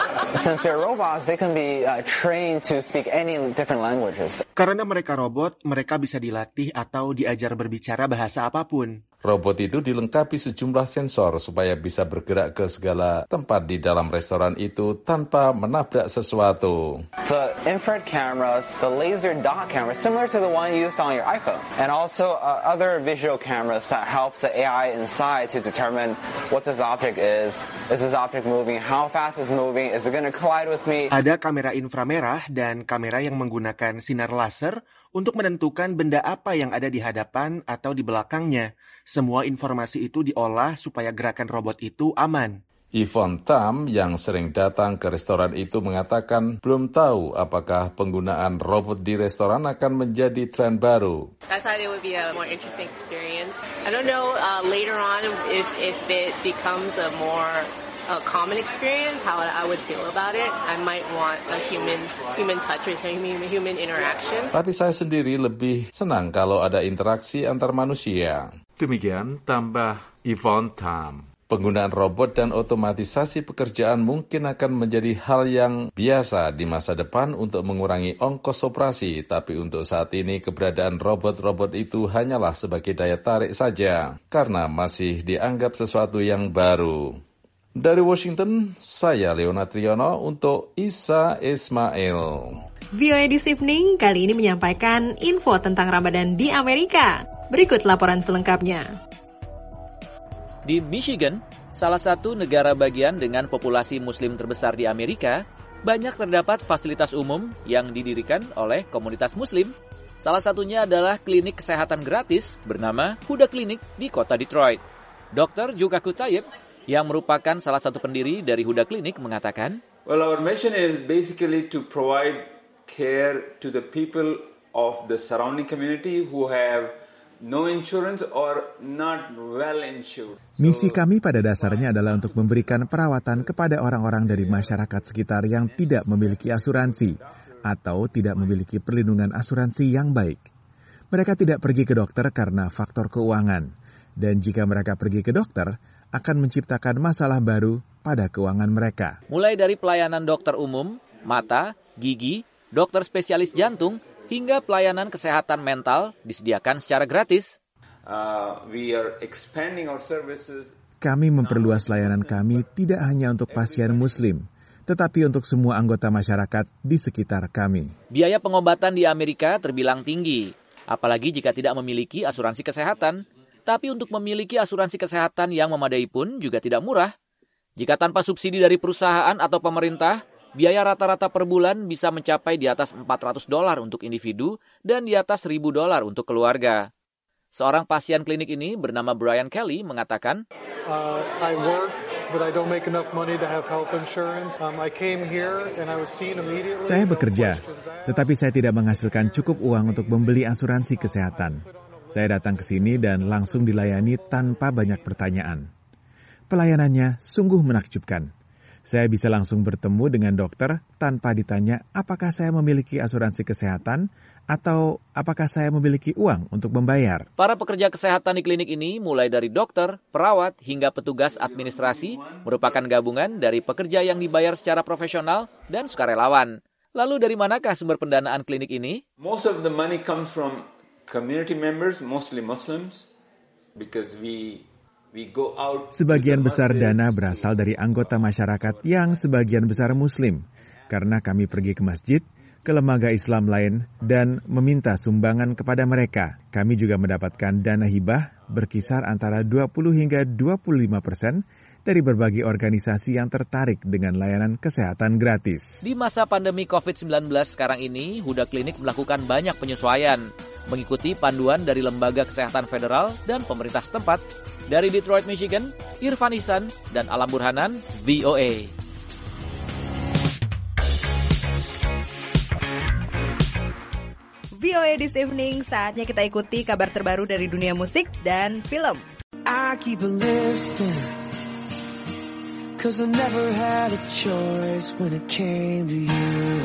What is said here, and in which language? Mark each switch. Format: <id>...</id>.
<en>Since they're robots, they can be trained to speak any different languages.</en> <id>Karena mereka robot, mereka bisa dilatih atau diajar berbicara bahasa apapun. Robot itu dilengkapi sejumlah sensor supaya bisa bergerak ke segala tempat di dalam restoran itu tanpa menabrak sesuatu.</id> <en>The infrared cameras, the laser dot cameras, similar to the one used on your iPhone, and also other visual cameras that help the AI inside to determine what this object is. Is this object moving? How fast is moving? Is it going to collide with me?</en> <id>Ada kamera inframerah dan kamera yang menggunakan sinar laser untuk menentukan benda apa yang ada di hadapan atau di belakangnya. Semua informasi itu diolah supaya gerakan robot itu aman. Yvonne Tam yang sering datang ke restoran itu mengatakan belum tahu apakah penggunaan robot di restoran akan menjadi tren baru.</id> <en>I thought it would be a more interesting experience. I don't know later on if it becomes a more common experience, how I would feel about it. I might want a human touch or human interaction.</en> <id>Tapi saya sendiri lebih senang kalau ada interaksi antar manusia. Demikian tambah Yvonne Tam. Penggunaan robot dan otomatisasi pekerjaan mungkin akan menjadi hal yang biasa di masa depan untuk mengurangi ongkos operasi, tapi untuk saat ini keberadaan robot-robot itu hanyalah sebagai daya tarik saja, karena masih dianggap sesuatu yang baru. Dari Washington, saya Leona Triyono untuk Isa Ismail. VOA This Evening kali ini menyampaikan info tentang Ramadan di Amerika. Berikut laporan selengkapnya. Di Michigan, salah satu negara bagian dengan populasi Muslim terbesar di Amerika, banyak terdapat fasilitas umum yang didirikan oleh komunitas Muslim. Salah satunya adalah klinik kesehatan gratis bernama Huda Clinic di kota Detroit. Dr. Juga Kutayib, yang merupakan salah satu pendiri dari Huda Clinic, mengatakan,</id> <en>"Well, our mission is basically to provide care to the people of the surrounding community who have no insurance or not well insured."</en> <id>Misi kami pada dasarnya adalah untuk memberikan perawatan kepada orang-orang dari masyarakat sekitar yang tidak memiliki asuransi atau tidak memiliki perlindungan asuransi yang baik. Mereka tidak pergi ke dokter karena faktor keuangan, dan jika mereka pergi ke dokter, akan menciptakan masalah baru pada keuangan mereka. Mulai dari pelayanan dokter umum, mata, gigi, dokter spesialis jantung, hingga pelayanan kesehatan mental disediakan secara gratis.</id> <en>We are expanding our services.</en> <id>Kami memperluas layanan kami tidak hanya untuk pasien Muslim, tetapi untuk semua anggota masyarakat di sekitar kami. Biaya pengobatan di Amerika terbilang tinggi, apalagi jika tidak memiliki asuransi kesehatan. Tapi untuk memiliki asuransi kesehatan yang memadai pun juga tidak murah. Jika tanpa subsidi dari perusahaan atau pemerintah, biaya rata-rata per bulan bisa mencapai di atas $400 untuk individu dan di atas $1,000 untuk keluarga. Seorang pasien klinik ini bernama Brian Kelly mengatakan,</id> <en>"I work, but I don't make enough money to have health insurance. I came here and I was seen immediately."</en> <id>Saya bekerja, tetapi saya tidak menghasilkan cukup uang untuk membeli asuransi kesehatan. Saya datang ke sini dan langsung dilayani tanpa banyak pertanyaan. Pelayanannya sungguh menakjubkan. Saya bisa langsung bertemu dengan dokter tanpa ditanya apakah saya memiliki asuransi kesehatan atau apakah saya memiliki uang untuk membayar. Para pekerja kesehatan di klinik ini, mulai dari dokter, perawat, hingga petugas administrasi, merupakan gabungan dari pekerja yang dibayar secara profesional dan sukarelawan. Lalu dari manakah sumber pendanaan klinik ini?</id> <en>Most of the money comes from community members, mostly Muslims, because we go out.</en> <id>Sebagian besar dana berasal dari anggota masyarakat yang sebagian besar Muslim, karena kami pergi ke masjid, ke lembaga Islam lain, dan meminta sumbangan kepada mereka. Kami juga mendapatkan dana hibah berkisar antara 20-25% dari berbagai organisasi yang tertarik dengan layanan kesehatan gratis. Di masa pandemi COVID-19 sekarang ini, Huda Clinic melakukan banyak penyesuaian, mengikuti panduan dari lembaga kesehatan federal dan pemerintah setempat. Dari Detroit, Michigan, Irfan Ihsan dan Alam Burhanan, VOA. VOA This Evening, saatnya kita ikuti kabar terbaru dari dunia musik dan film.</id> <en>I keep a listin', 'cause I never had a choice when it came to you.</en>